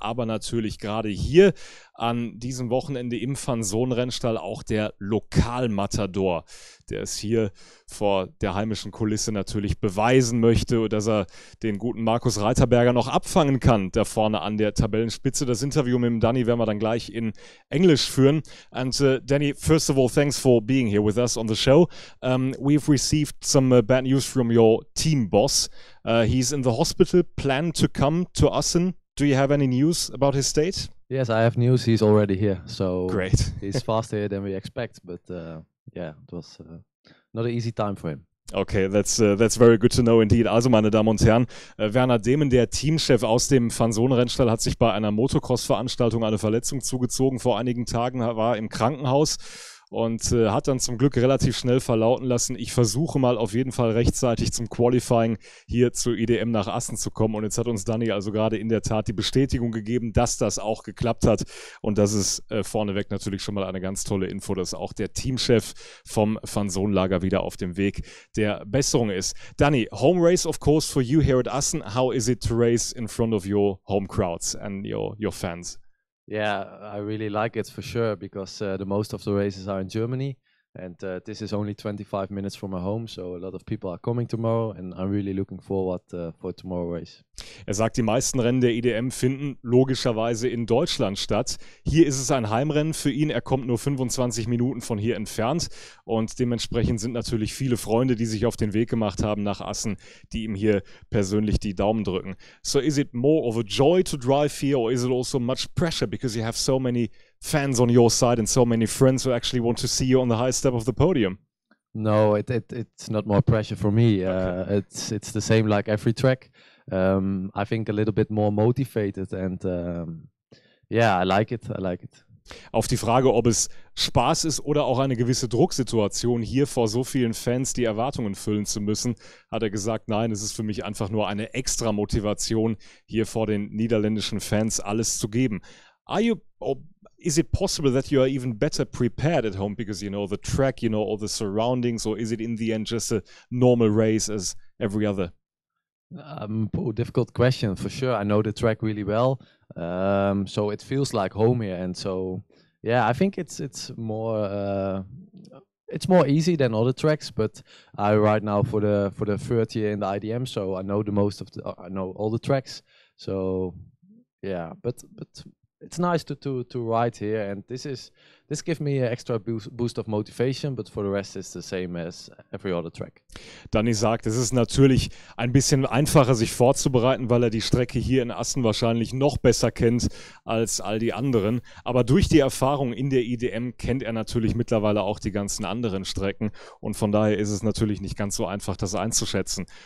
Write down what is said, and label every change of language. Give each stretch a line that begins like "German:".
German: Aber natürlich gerade hier an diesem Wochenende im Fanson-Rennstall auch der Lokalmatador, der es hier vor der heimischen Kulisse natürlich beweisen möchte, dass er den guten Markus Reiterberger noch abfangen kann, da vorne an der Tabellenspitze. Das Interview mit dem Danny werden wir dann gleich in Englisch führen.
English: And Danny, first of all, thanks for being here with us on the show. We've received some bad news from your team boss. He's in the hospital, planned to come to Assen. Do you have any news about his state? Yes, I have news. He's already here. So Great. he's faster than we expect, but yeah, it was not an easy time for him. Okay, that's very good to know indeed.
German: Also, meine Damen und Herren, Werner Dehmen, der Teamchef aus dem Fanson-Rennstall, hat sich bei einer Motocross-Veranstaltung eine Verletzung zugezogen vor einigen Tagen, war im Krankenhaus und hat dann zum Glück relativ schnell verlauten lassen: Ich versuche mal auf jeden Fall rechtzeitig zum Qualifying hier zur IDM nach Assen zu kommen. Und jetzt hat uns Dani also gerade in der Tat die Bestätigung gegeben, dass das auch geklappt hat. Und das ist vorneweg natürlich schon mal eine ganz tolle Info, dass auch der Teamchef vom Fanson-Lager wieder auf dem Weg der Besserung ist.
English: Dani, home race of course for you here at Assen. How is it to race in front of your home crowds and your fans? Yeah, I really like it for sure because the most of the races are in Germany and this is only 25 minutes from my home, so a lot of people are coming tomorrow and I'm really looking forward for tomorrow race.
German: Er sagt, die meisten Rennen der IDM finden logischerweise in Deutschland statt. Hier ist es ein Heimrennen für ihn. Er kommt nur 25 Minuten von hier entfernt und dementsprechend sind natürlich viele Freunde, die sich auf den Weg gemacht haben nach Assen, die ihm hier persönlich die Daumen drücken.
English: So is it more of a joy to drive here or is it also much pressure because you have so many fans on your side and so many friends who actually want to see you on the highest step of the podium? No, it's not more pressure for me. It's the same like every track. I think a little bit more motivated and yeah, I like it. I like it.
German: Auf die Frage, ob es Spaß ist oder auch eine gewisse Drucksituation, hier vor so vielen Fans die Erwartungen füllen zu müssen, hat er gesagt, nein, es ist für mich einfach nur eine extra Motivation, hier vor den niederländischen Fans alles zu geben.
English: Is it possible that you are even better prepared at home because you know the track, you know all the surroundings, or is it in the end just a normal race as every other? Oh, difficult question for sure. I know the track really well, so it feels like home here. And so, yeah, I think it's more easy than other tracks. But I ride now for the third year in the IDM, so I know the most of the I know all the tracks. So, yeah, but. It's nice to ride here, and this gives me an extra boost of motivation, but for the rest it's the same as every other track.
German: Danny sagt, es ist natürlich ein bisschen einfacher, sich vorzubereiten, weil er die Strecke hier in Assen wahrscheinlich noch besser kennt als all die anderen. Aber durch die Erfahrung in der IDM kennt er natürlich mittlerweile auch die ganzen anderen Strecken und von daher ist es natürlich nicht ganz so einfach, das einzuschätzen.